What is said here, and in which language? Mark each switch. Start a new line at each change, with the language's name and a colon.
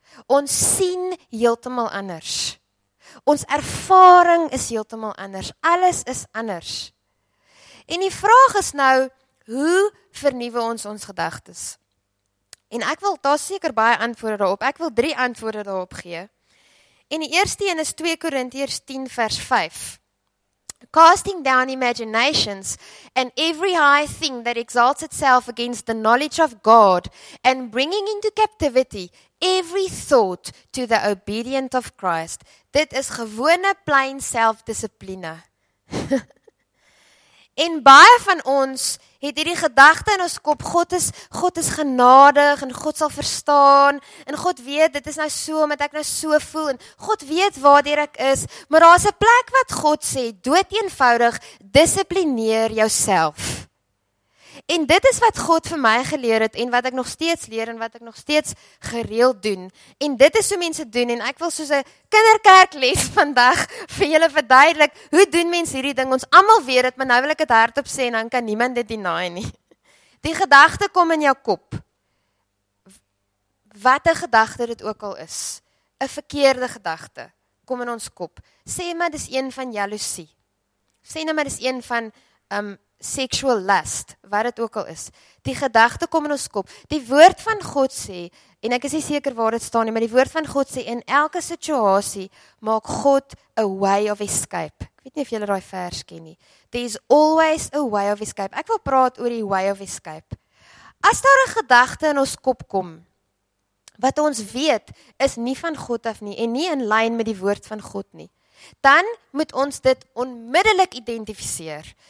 Afrikaans: Ons sien heeltemal anders. Ons ervaring is heeltemal anders. Alles is anders. En die vraag is nou, hoe vernuwe ons gedagtes? En ek wil daar seker baie antwoorde daarop. Ek wil 3 antwoorde daarop gee. En die eerste een is 2 Korintiërs 10 vers 5.
English: Casting down imaginations and every high thing that exalts itself against the knowledge of God and bringing into captivity every thought to the obedience of Christ.
Afrikaans: Dit is gewone plain selfdissipline. En baie van ons het hierdie gedagte in ons kop, God is genadig en God sal verstaan en God weet dit is nou so omdat ek nou so voel en God weet waardeur ek is, maar daar's 'n plek wat God sê dood eenvoudig dissiplineer jouself. En dit is wat God vir my geleer het en wat ek nog steeds leer en wat ek nog steeds gereeld doen. En dit is hoe mense doen en ek wil soos 'n kinderkerkles vandag vir julle verduidelik hoe doen mense hierdie ding. Ons almal weet dit, maar nou wil ek dit hardop sê en dan kan niemand dit deny nie. Die gedagte kom in jou kop. Wat 'n gedagte dit ook al is. 'N verkeerde gedagte kom in ons kop. Sê maar dis een van jaloesie. Sê nou maar dis een van
English: sexual lust,
Afrikaans: wat dit ook al is. Die gedagte kom in ons kop. Die woord van God sê, en ek is nie seker waar dit staan nie, maar die woord van God sê, in elke situasie maak God
English: a way of escape.
Afrikaans: Ek weet nie of julle daai vers ken nie.
English: There's always a way of escape.
Afrikaans: Ek wil praat oor die
English: way of escape.
Afrikaans: As daar 'n gedagte in ons kop kom, wat ons weet, is nie van God af nie, en nie in lyn met die woord van God nie, dan moet ons dit onmiddellik identifiseer.